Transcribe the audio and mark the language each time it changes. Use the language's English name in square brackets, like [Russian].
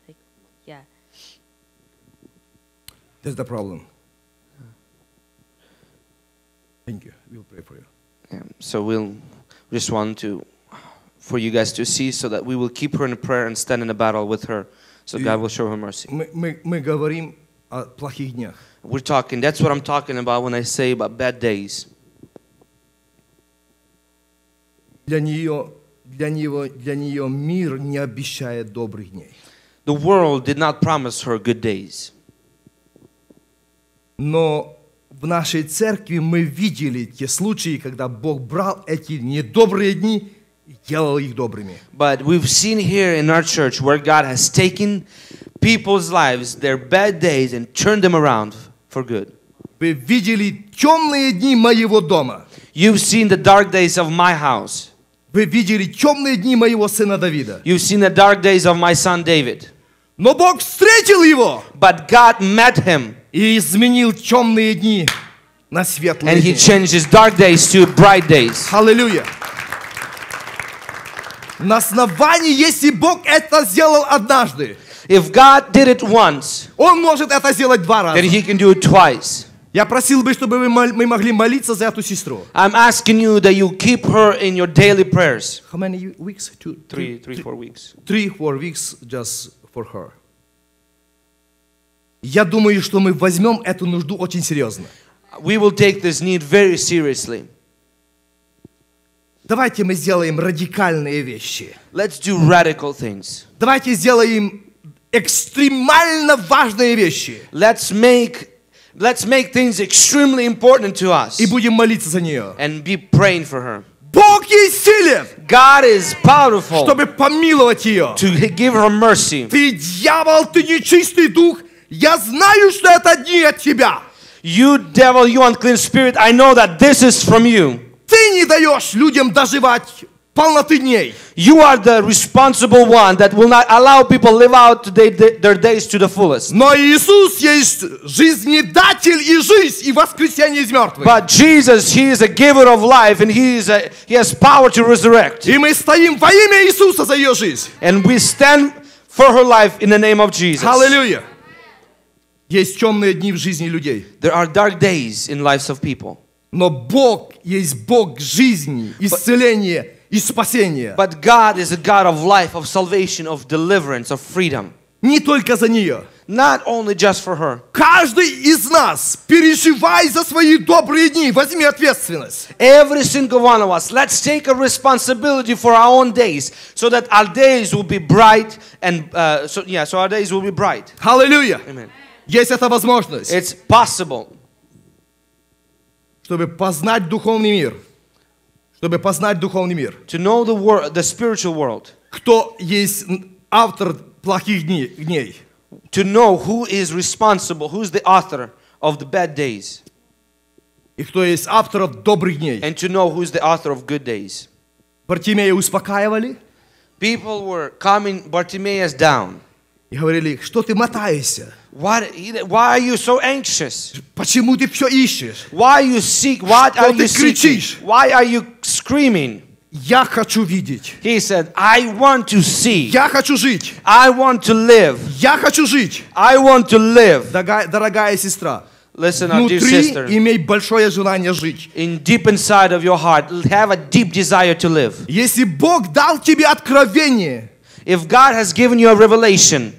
[English] Like, yeah. That's the problem. Thank you. We'll pray for you. Yeah. So we'll just want to for you guys to see, so that we will keep her in prayer and stand in a battle with her, so God will show her mercy. [Russian] Мы говорим о плохих днях. [English] We're talking. That's what I'm talking about when I say about bad days. [Russian] Для нее мир не обещает добрых дней. [English] The world did not promise her good days. [Russian] Но в нашей церкви мы видели те случаи, когда Бог брал эти недобрые дни и делал их добрыми. [English] But we've seen here in our church where God has taken people's lives, their bad days, and turned them around for good. [Russian] Вы видели темные дни моего дома. [English] You've seen the dark days of my house. [Russian] Вы видели темные дни моего сына Давида. [English] You've seen the dark days of my son David. [Russian] Но Бог встретил его. [English] But God met him. [Russian] И изменил темные дни на светлые [English] And [Russian] дни. [English] And he changes dark days to bright days. Hallelujah. [Russian] На основании, если Бог это сделал однажды, [English] If God did it once, [Russian] он может это сделать два раза. [English] Then he can do it twice. [Russian] Я просил бы, чтобы мы могли молиться за эту сестру. [English] I'm asking you that you keep her in your daily prayers. How many weeks? Two, three, four weeks. 3-4 weeks just for her. [Russian] Я думаю, что мы возьмем эту нужду очень серьезно. [English] We will take this need very seriously. [Russian] Давайте мы сделаем радикальные вещи. [English] Let's do radical things. [Russian] Давайте сделаем экстремально важные вещи. [English] Let's make things extremely important to us. [Russian] И будем молиться за нее. [English] And be praying for her. [Russian] Бог есть силен. [English] God is powerful. [Russian] Чтобы помиловать ее. [English] To give her mercy. [Russian] Ты дьявол, ты нечистый дух. Я знаю, что это не от тебя. [English] You devil, you unclean spirit, I know that this is from you. [Russian] Ты не даешь людям доживать полноты дней. [English] You are the responsible one that will not allow people live out their days to the fullest. [Russian] Но Иисус есть жизнедатель и жизнь и воскресение из мертвых. [English] But Jesus, he is a giver of life and he has power to resurrect. [Russian] И мы стоим во имя Иисуса за ее жизнь. [English] And we stand for her life in the name of Jesus. Hallelujah. [Russian] Есть темные дни в жизни людей. [English] There are dark days in lives of people. [Russian] Но Бог есть Бог жизни, исцеления и спасения. [English] But God is a God of life, of salvation, of deliverance, of freedom. [Russian] Не только за нее. [English] Not only just for her. [Russian] Каждый из нас переживай за свои добрые дни, возьми ответственность. [English] Every single one of us, let's take a responsibility for our own days, so that our days will be bright and so our days will be bright. Hallelujah. Amen. [Russian] Есть эта возможность. [English] It's possible. [Russian] Чтобы познать духовный мир. Чтобы познать духовный мир. [English] To know the world, the spiritual world. [Russian] Кто есть автор плохих дней? [English] To know who is responsible, who is the author of the bad days. [Russian] И кто есть автор добрых дней? [English] And to know who is the author of good days. [Russian] Бартимея успокаивали? [English] People were calming Bartimaeus down. [Russian] И говорили, что ты мотаешься? [English] Why are you so anxious? [Russian] Почему ты все ищешь? [English] Why you seek? What [Russian] что [English] are you seeking? [Russian] Кричишь? [English] Why are you screaming? [Russian] Я хочу видеть. [English] He said, I want to see. [Russian] Я хочу жить. [English] I want to live. [Russian] Я хочу жить. [English] I want to live. [Russian] Дорогая сестра. [English] Listen up, dear sister. [Russian] Имей большое желание жить. [English] In deep inside of your heart, have a deep desire to live. [Russian] Если Бог дал тебе откровение. [English] If God has given you a revelation.